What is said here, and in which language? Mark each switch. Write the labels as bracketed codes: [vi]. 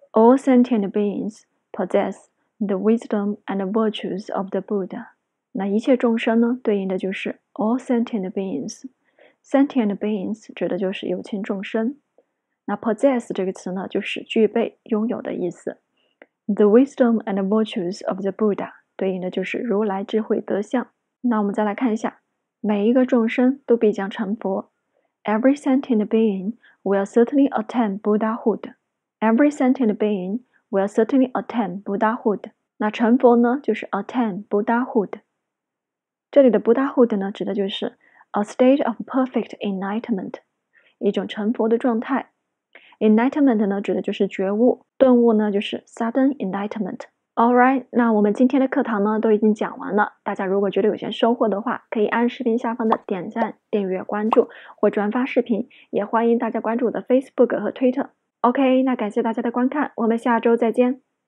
[en] All sentient beings possess the wisdom and virtues of the Buddha. [zh] 那一切众生呢，对应的就是 all sentient beings. Sentient beings 指的就是有情众生。那 possess 这个词呢，就是具备、拥有的意思。 [en] The wisdom and virtues of the Buddha [zh] 对应的就是如来智慧德相。那我们再来看一下。每一个众生都必将成佛。 [en] Every sentient being will certainly attain Buddhahood. Every sentient being will certainly attain Buddhahood. [zh] 那成佛呢，就是 attain Buddhahood. 这里的 Buddhahood 呢，指的就是 [en] a state of perfect enlightenment, [zh] 一种成佛的状态。 Enlightenment 呢，指的就是觉悟，顿悟呢，就是 sudden enlightenment。 Alright, 那我们今天的课堂呢都已经讲完了。大家如果觉得有些收获的话，可以按视频下方的点赞、订阅、关注或转发视频，也欢迎大家关注我的 Facebook 和 Twitter。OK, 那感谢大家的观看，我们下周再见。